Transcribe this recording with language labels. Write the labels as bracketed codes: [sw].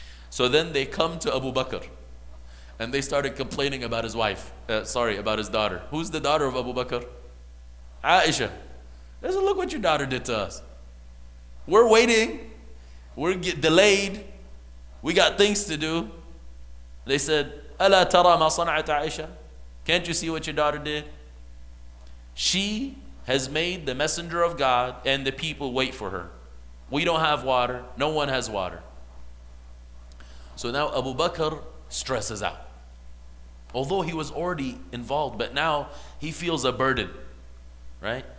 [en] So then they come to Abu Bakr and they started complaining about his wife, about his daughter. Who's the daughter of Abu Bakr? Aisha. They said, look what your daughter did to us. We're waiting, we're delayed, We got things to do. They said, [ar] أَلَا تَرَى مَا صَنَعَتْ عَيْشَ? [en] Can't you see what your daughter did? She has made the messenger of God and the people wait for her. We don't have water. No one has water. So now Abu Bakr stresses out. Although he was already involved, but now he feels a burden, right?